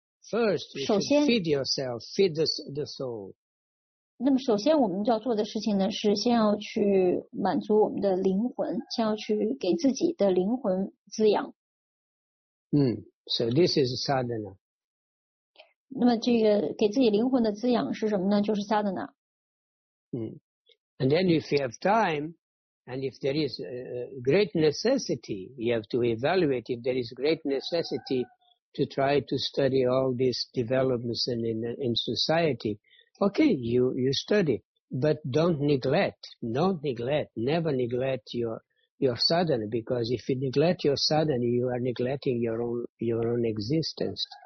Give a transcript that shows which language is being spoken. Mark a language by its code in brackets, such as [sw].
[en] First, you should feed yourself, feed the soul. [zh] 那么首先我们就要做的事情呢，是先要去满足我们的灵魂，先要去给自己的灵魂滋养。 [en] So this is sadhana. [zh] 那么这个给自己灵魂的滋养是什么呢？就是 sadhana。 [en] And then if you have time, and if there is great necessity, you have to evaluate if there is great necessity to try to study all these developments in society. Okay, you study, but never neglect your sadhana, because if you neglect your sadhana, you are neglecting your own existence.